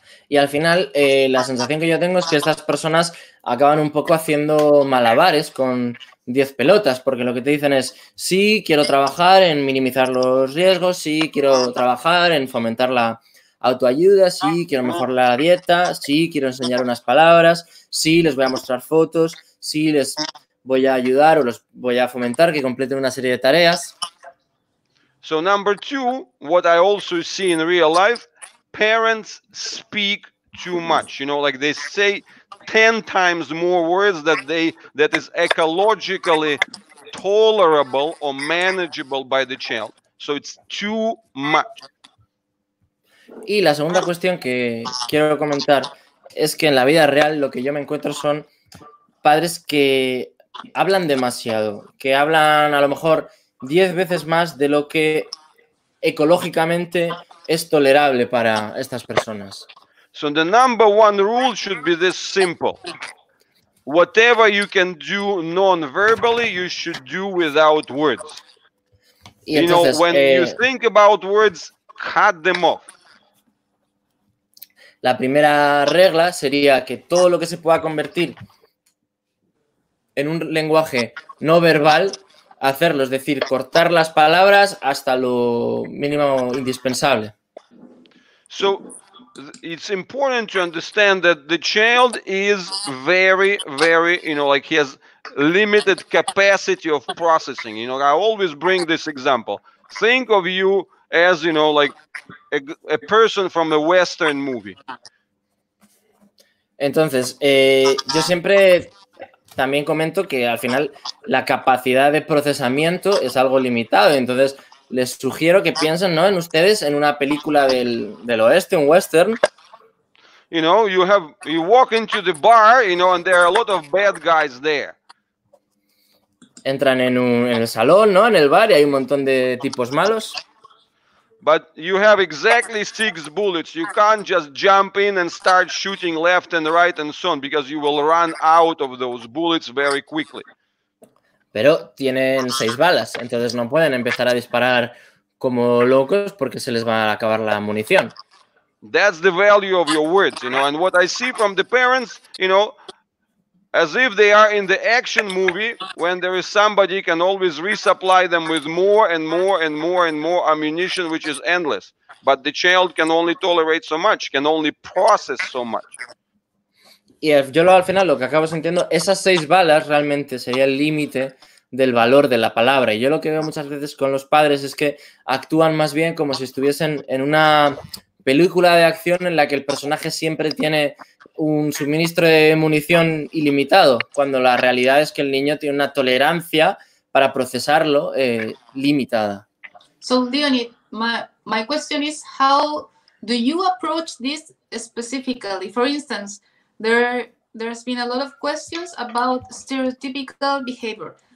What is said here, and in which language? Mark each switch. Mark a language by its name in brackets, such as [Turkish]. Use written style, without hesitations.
[Spanish] Y al final, la sensación que yo tengo es que estas personas acaban un poco haciendo malabares con 10 pelotas, porque lo que te dicen es, sí, quiero trabajar en minimizar los riesgos, sí, quiero trabajar en fomentar la autoayuda, sí, quiero mejorar la dieta, sí, quiero enseñar unas palabras, sí, les voy a mostrar fotos, sí, les voy a ayudar o los voy a fomentar que completen una serie de tareas. [English] So, number two, what I also see in real life, parents speak too much, you know, like they say 10 times more words that they that is ecologically tolerable or manageable by the child. So it's too much. [Spanish] Y la segunda cuestión que quiero comentar es que en la vida real lo que yo me encuentro son padres que hablan demasiado, que hablan a lo mejor 10 veces más de lo que ecológicamente es tolerable para estas personas. [English] So the number one rule should be this simple. Whatever you can do non-verbally, you should do without words. [Spanish] Y entonces, [English] you know, when you think about words, cut them off. [Spanish] La primera regla sería que todo lo que se pueda convertir en un lenguaje no verbal, hacerlo, es decir, cortar las palabras hasta lo mínimo indispensable. [English] So it's important to understand that the child is very, very, you know, like he has limited capacity of processing. You know, I always bring this example. Think of you as, you know, like a person from a Western movie. [Spanish] Entonces, yo siempre también comento que al final la capacidad de procesamiento es algo limitado. Entonces, les sugiero que piensen, ¿no?, en ustedes en una película del oeste, un western. [English] You know, you walk into the bar, you know, and there are a lot of bad guys there. [Spanish] Entran en el salón, ¿no?, en el bar, y hay un montón de tipos malos. [English] But you have exactly 6 bullets. You can't just jump in and start shooting left and right and so on, because you will run out of those bullets very quickly. [Spanish] Pero tienen 6 balas, entonces no pueden empezar a disparar como locos porque se les va a acabar la munición. [English] That's the value of your words, you know, and what I see from the parents, you know, as if they are in the action movie when there is somebody can always resupply them with more and more and more and more ammunition, which is endless. But the child can only tolerate so much, can only process so much. [Spanish] Y yo al final lo que acabo sintiendo, esas 6 balas realmente sería el límite del valor de la palabra. Y yo lo que veo muchas veces con los padres es que actúan más bien como si estuviesen en una película de acción en la que el personaje siempre tiene un suministro de munición ilimitado, cuando la realidad es que el niño tiene una tolerancia para procesarlo limitada. [English] So, Leonid, my question is, how do you approach this specifically? For instance, there's been a lot of questions about stereotypical behavior.